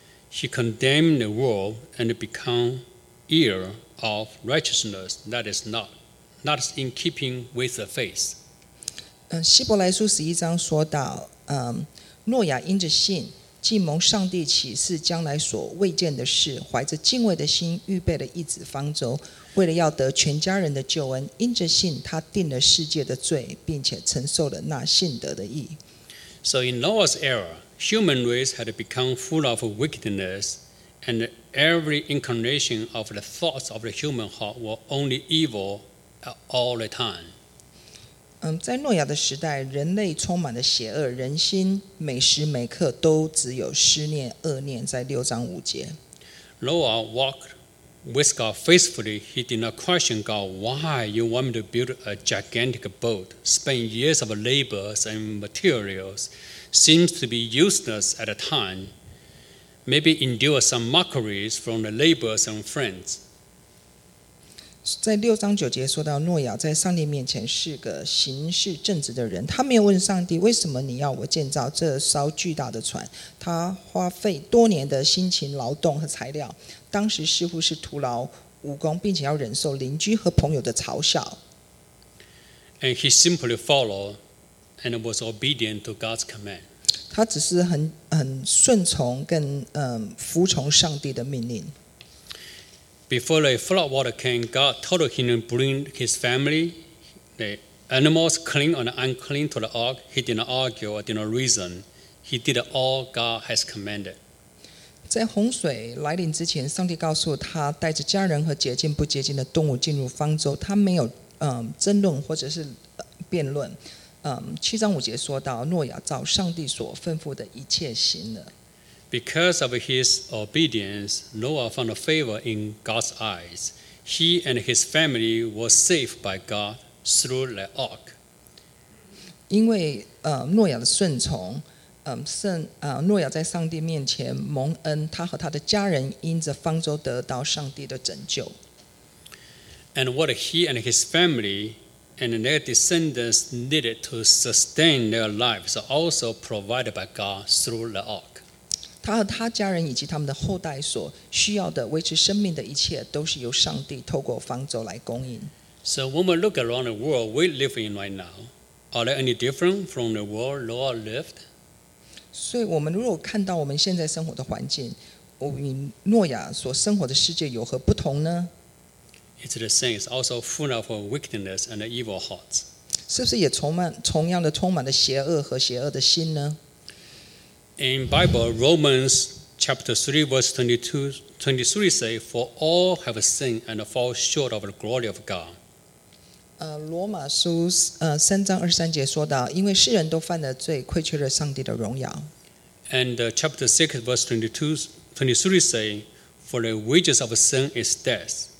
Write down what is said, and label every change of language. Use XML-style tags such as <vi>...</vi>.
<en>He condemned the world and became heir of righteousness that is not in keeping with the faith.</en> <zh>希伯来书十一章说到，诺亚因着信，既蒙上帝启示将来所未见的事，怀着敬畏的心预备了一子方舟，为了要得全家人的救恩。因着信，他定了世界的罪，并且承受了那信得的义。</zh> <en>So in Noah's era. Human race had become full of wickedness, and every incarnation of the thoughts of the human heart were only evil at all the time.</en> <zh>在诺亚的时代，人类充满了邪恶，人心每时每刻都只有思念、恶念。在六章五节</zh> <en>，Noah walked with God faithfully. He did not question God, "Why you want me to build a gigantic boat, spend years of labors and materials?" Seems to be useless at a time, maybe endure some mockeries from the laborers and friends.</en> <zh>在六章九节说到，诺亚在上帝面前是个行事正直的人。他没有问上帝，为什么你要我建造这艘巨大的船？他花费多年的辛勤劳动和材料，当时似乎是徒劳无功，并且要忍受邻居和朋友的嘲笑。</zh> <en>And he simply followed. And was obedient to God's command.</en> <zh>他只是很顺从跟服从上帝的命令。</zh> <en>Before the flood water came, God told him to bring his family, the animals, clean and unclean, to the ark. He did not argue or did not reason. He did all God has commanded.</en> <zh>在洪水来临之前，上帝告诉他带着家人和洁净不洁净的动物进入方舟。他没有争论或者是辩论。七章五节说到，诺亚照上帝所吩咐的一切行了。</zh> <en>Because of his obedience, Noah found a favor in God's eyes. He and his family were saved by God through the ark.</en> <zh>因为诺亚的顺从，诺亚在上帝面前蒙恩，他和他的家人因着方舟得到上帝的拯救。</zh> <en>And what he and his family. And their descendants needed to sustain their lives, also provided by God through the ark.</en> <zh>他和他家人以及他们的后代所需要的维持生命的一切，都是由上帝透过方舟来供应。</zh> <en>So when we look around the world we live in right now, are there any different from the world Noah lived?</en> <zh>所以我们如果看到我们现在生活的环境，我与诺亚所生活的世界有何不同呢？</zh> <en>It's the same. It's also full of wickedness and evil hearts.</en> <zh>是不是也充满了邪恶和邪恶的心呢？</zh> <en>In Bible, Romans chapter 3 verse 22-23 say, "For all have sinned and fall short of the glory of God."</en> <zh>罗马书三章二十三节说到，因为世人都犯了罪，亏缺了上帝的荣耀。</zh> <en>And chapter 6 verse 22-23 say, "For the wages of sin is death."</en>